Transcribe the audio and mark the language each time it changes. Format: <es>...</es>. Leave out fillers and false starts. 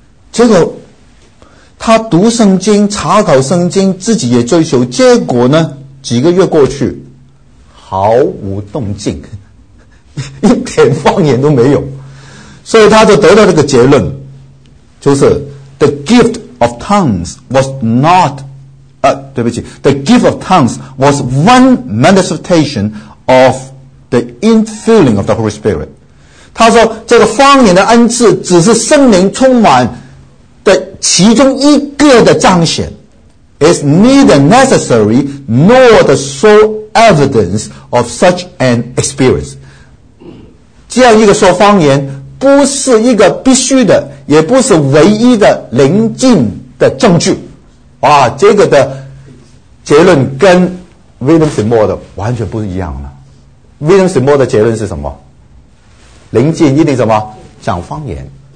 <zh>结果他读圣经，查考圣经，自己也追求，结果呢几个月过去毫无动静，一点方言都没有。所以他就得到这个结论，就是</zh> <en>the gift of tongues was not, the gift of tongues was one manifestation of the infilling of the Holy Spirit.</en> <zh>他说这个方言的恩赐只是圣灵充满的其中一个的彰显。</zh> <en>It's neither necessary nor the sole evidence of such an experience.</en> <zh>这样一个说方言不是一个必须的，也不是唯一的灵浸的证据。哇，这个的结论跟 William Seymour 的完全不一样了。 William Seymour 的结论是什么？灵浸一定什么？讲方言。</zh>